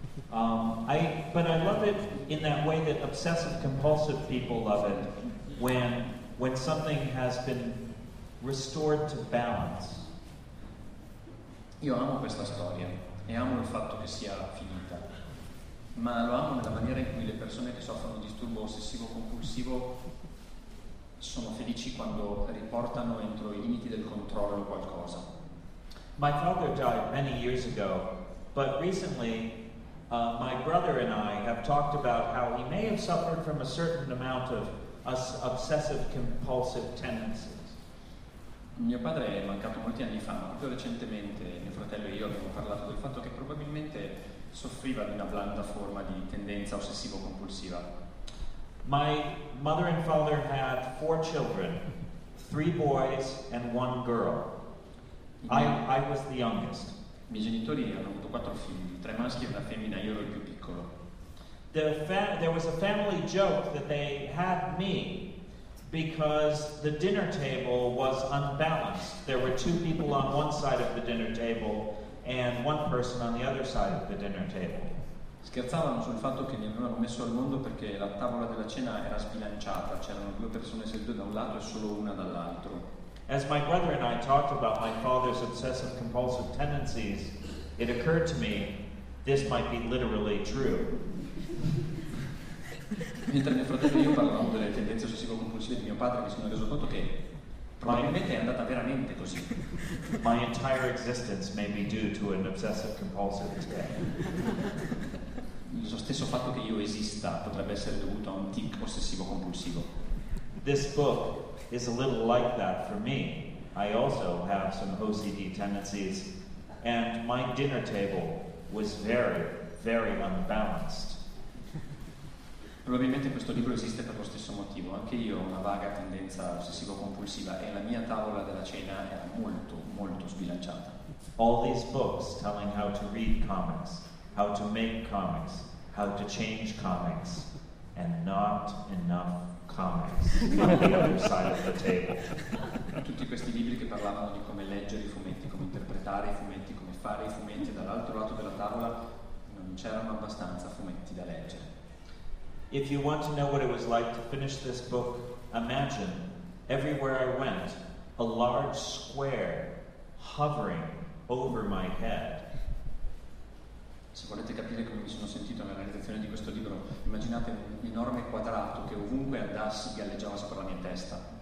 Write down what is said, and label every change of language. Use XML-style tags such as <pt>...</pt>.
<en>But I love it in that way that obsessive compulsive people love it, when something has been restored to balance.</en> <it>Io amo questa storia e amo il fatto che sia finita. Ma lo amo nella maniera in cui le persone che soffrono di disturbo ossessivo compulsivo sono felici quando riportano entro i limiti del controllo qualcosa.</it> <en>My father died many years ago, but recently my brother and I have talked about how he may have suffered from a certain amount of obsessive compulsive tendencies.</en> <it>Mio padre è mancato molti anni fa, ma proprio recentemente mio fratello e io abbiamo parlato del fatto che probabilmente soffriva di una blanda forma di tendenza ossessivo compulsiva.</it> <en>My mother and father had 4 children, 3 boys and 1 girl. I was the youngest.</en> <it>I miei genitori hanno avuto 4 figli, 3 maschi e una femmina, io ero il più piccolo.</it> <en>There was a family joke that they had me because the dinner table was unbalanced. There were 2 people on one side of the dinner table and 1 person on the other side of the dinner table.</en> <it>Scherzavano sul fatto che mi avevano messo al mondo perché la tavola della cena era sbilanciata, c'erano 2 persone sedute da un lato e solo una dall'altro.</it> <en>As my brother and I talked about my father's obsessive compulsive tendencies, it occurred to me this might be literally true.</en> <it>Mentre mio fratello e io parlavamo delle tendenze ossessivo compulsive di mio padre, mi sono reso conto che probabilmente è andata veramente così.</it> <en>My entire existence may be due to an obsessive compulsive tic.</en> <it>Lo stesso fatto che io esista potrebbe essere dovuto a un tic ossessivo compulsivo.</it> <en>This book is a little like that for me. I also have some OCD tendencies, and my dinner table was very, very unbalanced.</en> <it>Probabilmente questo libro esiste per lo stesso motivo. Anche io ho una vaga tendenza ossessivo-compulsiva e la mia tavola della cena era molto, molto sbilanciata.</it> <en>All these books telling how to read comics, how to make comics, how to change comics, and not enough comics on the other side of the table.</en> <it>Tutti questi libri che parlavano di come leggere i fumetti, come interpretare i fumetti, come fare i fumetti, dall'altro lato della tavola non c'erano abbastanza fumetti da leggere.</it> <en>If you want to know what it was like to finish this book, imagine everywhere I went, a large square hovering over my head.</en> <it>Se volete capire come mi sono sentito nella realizzazione di questo libro, immaginate un enorme quadrato che ovunque andassi galleggiava sopra la mia testa.</it>